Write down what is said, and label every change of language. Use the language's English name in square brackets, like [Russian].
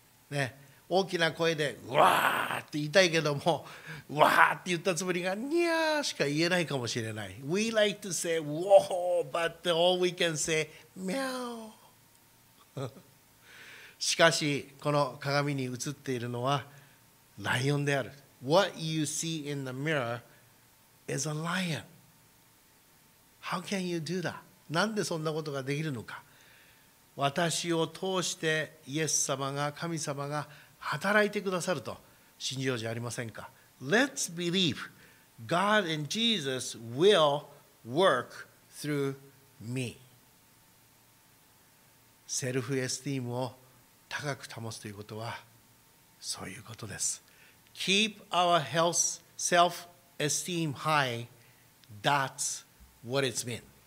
[Japanese] ね、大きな声でうわーって言いたいけども、うわーって言ったつもりがにゃーしか言えないかもしれない。 [English] We like to say whoa, but all we can say meow. [Japanese] しかしこの鏡に映っているのはライオンである。 [English] What you see in the mirror is a lion. How can you do that? [Japanese] なんでそんなことができるのか。私を通してイエス様が、神様が働いてくださると信じようじゃありませんか。 [English] Let's believe God and Jesus will work through me. [Japanese] セルフエスティームを高く保つということはそういうことです。 [English] Keep our health self-esteem high. That's what it's mean.